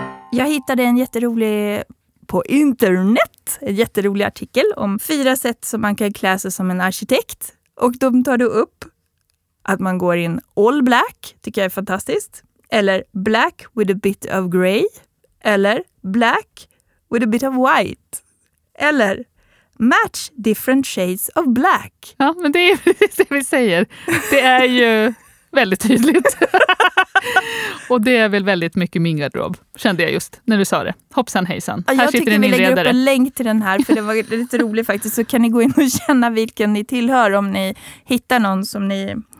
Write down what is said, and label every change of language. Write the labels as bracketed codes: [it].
[sv] Jag hittade en jätterolig på internet. En jätterolig artikel om 4 sätt som man kan klä sig som en arkitekt. Och de tar du upp. Att man går in all black, tycker jag är fantastiskt. [en] Eller black with a bit of grey. Eller black with a bit of white. Eller match different shades of black. [sv] Ja, men det är precis det vi säger. Det är ju väldigt tydligt. Och det är väl väldigt mycket min garderob, kände jag just när du sa det. Hoppsan hejsan. Ja, jag tycker vi lägger upp en länk till den här, för det var lite roligt faktiskt. Så kan ni gå in och känna vilken ni tillhör om ni hittar någon som ni...